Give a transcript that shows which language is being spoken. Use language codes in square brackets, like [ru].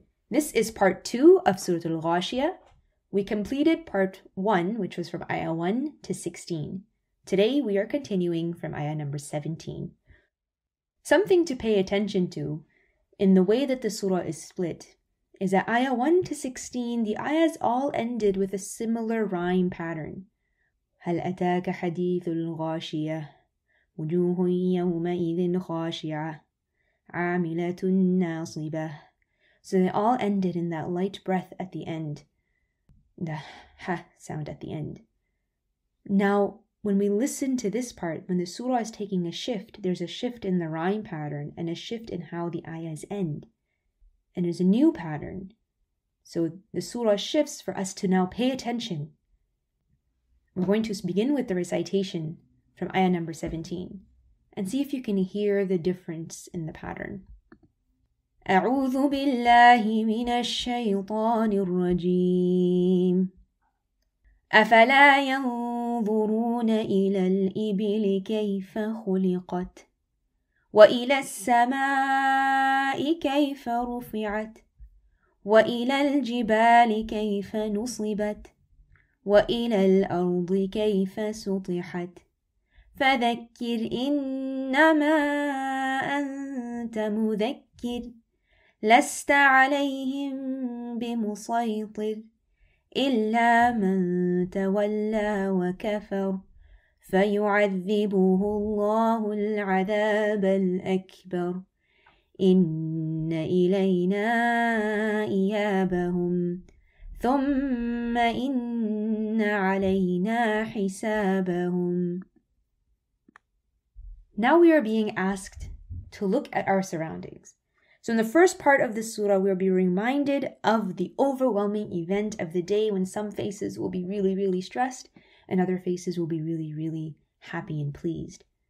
[en] This is part 2 of Surah Al Ghashiya. We completed part 1, which was from ayah 1 to 16. Today we are continuing from ayah number 17. Something to pay attention to in the way that the surah is split is that ayah 1 to 16, the ayahs all ended with a similar rhyme pattern. [ar] هَلْ أَتَاكَ حَدِيثُ الْغَاشِيَةِ وجوه يومئذ خاشعة عاملة ناصبة. [en] So they all ended in that light breath at the end, the ha sound at the end. Now, when we listen to this part, when the surah is taking a shift, there's a shift in the rhyme pattern and a shift in how the ayahs end. And there's a new pattern. So the surah shifts for us to now pay attention. We're going to begin with the recitation from ayah number 17, and see if you can hear the difference in the pattern. [ar] أعوذ بالله من الشيطان الرجيم أفلا ينظرون إلى الإبل كيف خلقت وإلى السماء كيف رفعت وإلى الجبال كيف نصبت وإلى الأرض كيف سطحت فذكر إنما أنت مذكر لست عليهم بمسيطر إلا من تولى وكفر فيعذبه الله العذاب الأكبر إن إلينا إيابهم ثم إن علينا حسابهم. [en] Now we are being asked to look at our surroundings. So in the first part of the surah, we will be reminded of the overwhelming event of the day when some faces will be really, really stressed and other faces will be really, really happy and pleased.